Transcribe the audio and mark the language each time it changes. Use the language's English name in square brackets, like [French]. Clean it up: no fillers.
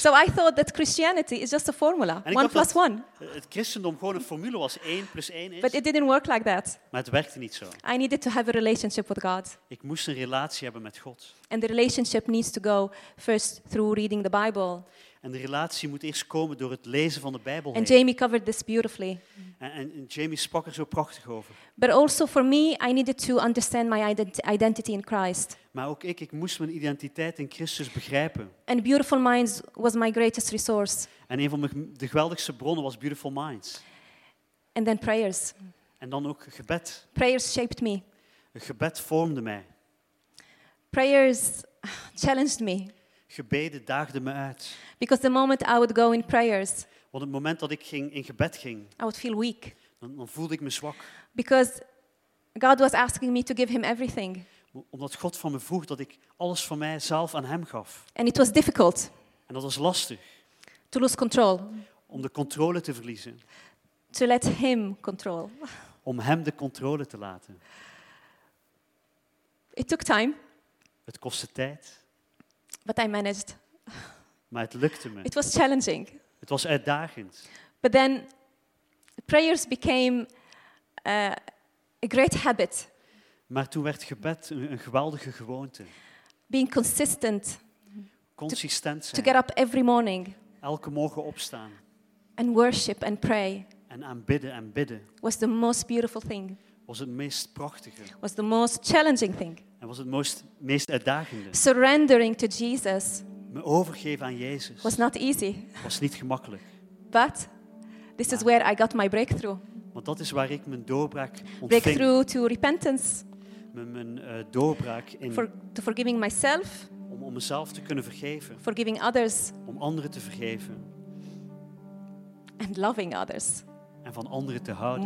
[English] So I thought that Christianity is just a formula, [Dutch] en ik [English] one plus one. [Dutch] Het christendom gewoon een formule was, 1 plus 1 is. [English] But it didn't work like that. [Dutch] Maar het werkte niet zo. [English] I needed to have a relationship with God. [Dutch] Ik moest een relatie hebben met God. [English] And the relationship needs to go first through reading the Bible. [Dutch] En de relatie moet eerst komen door het lezen van de Bijbel. [English] And Jamie covered this beautifully. [Dutch] En Jamie sprak er zo prachtig over. [English] But also for me, I needed to understand my identity in Christ. [Dutch] Maar ook ik moest mijn identiteit in Christus begrijpen. [English] And Beautiful Minds was my greatest resource. [Dutch] En een van de geweldigste bronnen was Beautiful Minds. [English] And then prayers. [Dutch] En dan ook gebed. [English] Prayers shaped me. [Dutch] Een gebed vormde mij. [English] Prayers challenged me. [Dutch] Gebeden daagden me uit. [English] Because the moment I would go in prayers. [Dutch] Want het moment dat ik in gebed ging. [English] I would feel weak. [Dutch] Dan voelde ik me zwak. [English] Because God was asking me to give him everything. [Dutch] Omdat God van me vroeg dat ik alles van mijzelf aan hem gaf. [English] And it was difficult. [Dutch] En dat was lastig. [English] To lose control. [Dutch] Om de controle te verliezen. [English] To let him control. [Dutch] Om hem de controle te laten. [English] It took time. [Dutch] Het kostte tijd. [English] But I managed. [Dutch] Maar het lukte me. [English] It was challenging. [Dutch] Het was uitdagend. [English] But then prayers became a great habit. [Dutch] Maar toen werd gebed een geweldige gewoonte. [English] Being consistent. [Dutch] Consistent zijn. [English] To get up every morning. [Dutch] Elke morgen opstaan. [English] And worship and pray. [Dutch] En aanbidden en bidden. [English] Was the most beautiful thing. [Dutch] Was het meest prachtige. [English] Was the most challenging thing. [Dutch] En was het meest uitdagende. [English] Surrendering to Jesus. [Dutch] Me overgeven aan Jezus. [English] Was not easy. [Dutch] Was niet gemakkelijk. [English] But this is where I got my breakthrough. [Dutch] Want dat is waar ik mijn doorbraak ontving. [English] Breakthrough to repentance. [Dutch] Mijn doorbraak in. [English] To forgiving myself. [Dutch] Om mezelf te kunnen vergeven. [English] Forgiving others. [Dutch] Om anderen te vergeven. [English] And loving others. [Dutch] En van anderen te houden.